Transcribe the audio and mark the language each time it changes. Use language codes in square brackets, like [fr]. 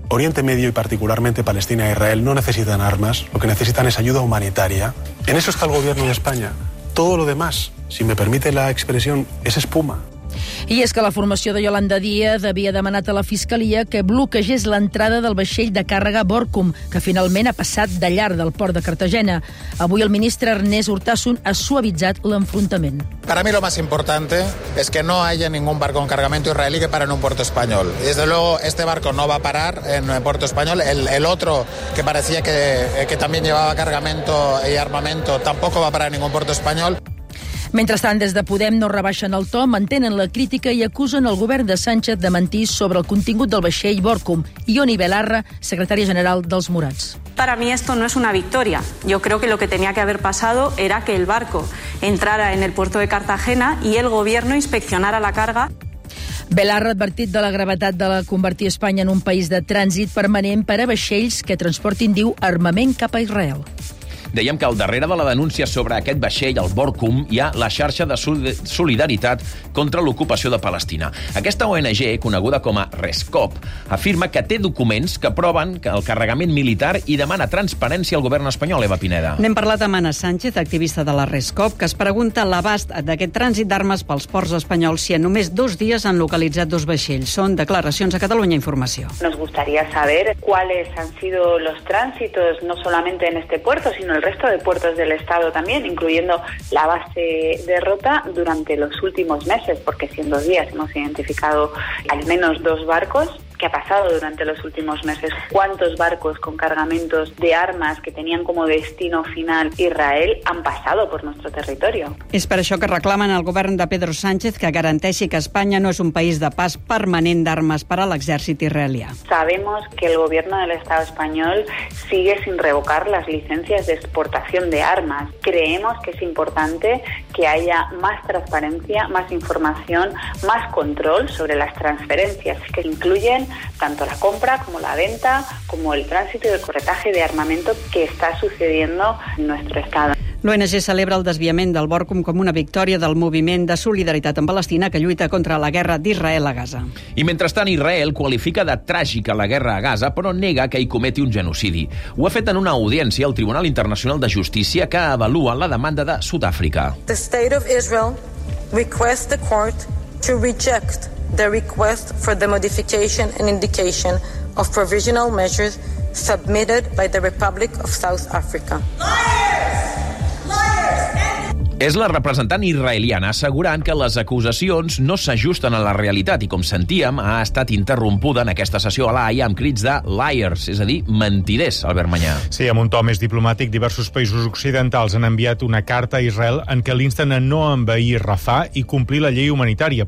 [es] Oriente Medio y particularmente Palestina e Israel no necesitan armas, lo que necesitan es ayuda humanitaria. En eso está el gobierno de España. Todo lo demás, si me permite la expresión, es espuma. [ca] I és que la formació de Yolanda Díaz havia demanat a la Fiscalia que bloquegés l'entrada del vaixell de càrrega Borkum, que finalment ha passat de llarg del port de Cartagena. Avui el ministre Ernest Urtasun ha suavitzat l'enfrontament. [es] Para mí lo más importante es que no haya ningún barco con cargamento israelí que pare en un puerto español. Desde luego, este barco no va a parar en un puerto español. El otro, que parecía que también llevaba cargamento y armamento, tampoco va a parar en ningún puerto español. [ca] Mentrestant, des de Podem no rebaixen el to, mantenen la crítica i acusen el govern de Sánchez de mentir sobre el contingut del vaixell Borkum. Ioni Belarra, secretària general dels Morats. [es] Para mí esto no es una victoria. Yo creo que lo que tenía que haber pasado era que el barco entrara en el puerto de Cartagena y el gobierno inspeccionara la carga. [ca] Belarra ha advertit de la gravetat de la convertir Espanya en un país de trànsit permanent per a vaixells que transportin, diu, armament cap a Israel. Dèiem que al darrere de la denúncia sobre aquest vaixell, el Borkum, hi ha la xarxa de solidaritat contra l'ocupació de Palestina. Aquesta ONG, coneguda com a Rescop, afirma que té documents que proven que el carregament militar i demana transparència al govern espanyol, Eva Pineda. N'hem parlat amb Ana Sánchez, activista de la Rescop, que es pregunta l'abast d'aquest trànsit d'armes pels ports espanyols si en només dos dies han localitzat dos vaixells. Són declaracions a Catalunya Informació. [es] Nos gustaría saber cuáles han sido los tránsitos, no solamente en este puerto, sino el resto de puertos del Estado también, incluyendo la base de Rota, durante los últimos meses, porque si en dos días hemos identificado al menos dos barcos. ¿Qué ha pasado durante los últimos meses? ¿Cuántos barcos con cargamentos de armas que tenían como destino final Israel han pasado por nuestro territorio? [ca] És per això que reclamen al govern de Pedro Sánchez que garanteixi que Espanya no és un país de pas permanent d'armes per a l'exèrcit israelià. [es] Sabemos que el gobierno del Estado español sigue sin revocar las licencias de exportación de armas. Creemos que es importante que haya más transparencia, más información, más control sobre las transferencias, que incluye tanto la compra como la venta, como el tránsito y el corretaje de armamento que está sucediendo en nuestro estado. [ca] L'ONG celebra el desviament del Borkum com una victòria del moviment de solidaritat amb Palestina que lluita contra la guerra d'Israel a Gaza. I mentrestant, Israel qualifica de tràgica la guerra a Gaza, però nega que hi cometi un genocidi. Ho ha fet en una audiència al Tribunal Internacional de Justícia que avalua la demanda de Sud-àfrica. [en] The State of Israel requests the court to reject the request for the modification and indication of provisional measures submitted by the Republic of South Africa. [ca] És la representant israeliana assegurant que les acusacions no s'ajusten a la realitat i, com sentíem, ha estat interrompuda en aquesta sessió a l'AIA amb crits de liars, és a dir, mentiders, Albert Manyà. Sí, amb un to més diplomàtic, diversos països occidentals han enviat una carta a Israel en què l'insten a no envair Rafah i complir la llei humanitària.